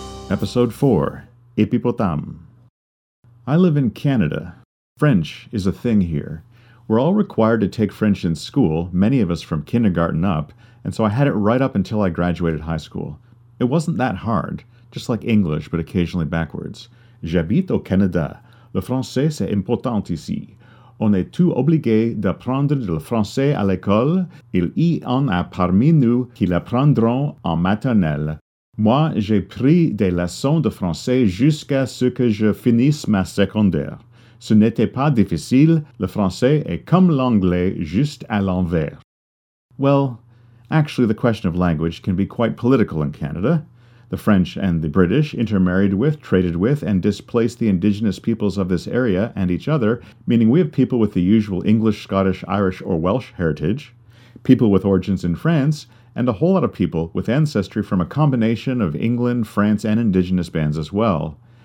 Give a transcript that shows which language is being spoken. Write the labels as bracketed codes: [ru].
[en] Episode 4, Hippipotame. I live in Canada. French is a thing here. We're all required to take French in school, many of us from kindergarten up, and so I had it right up until I graduated high school. It wasn't that hard, just like English, but occasionally backwards. [fr] J'habite au Canada. Le français, c'est important ici. On est tous obligés d'apprendre le français à l'école. Il y en a parmi nous qui l'apprendront en maternelle. Moi, j'ai pris des leçons de français jusqu'à ce que je finisse ma secondaire. Ce n'était pas difficile. Le français est comme l'anglais, juste à l'envers. [en] Well, actually, the question of language can be quite political in Canada. The French and the British intermarried with, traded with, and displaced the indigenous peoples of this area and each other, meaning we have people with the usual English, Scottish, Irish, or Welsh heritage, people with origins in France, and a whole lot of people with ancestry from a combination of England, France, and indigenous bands as well.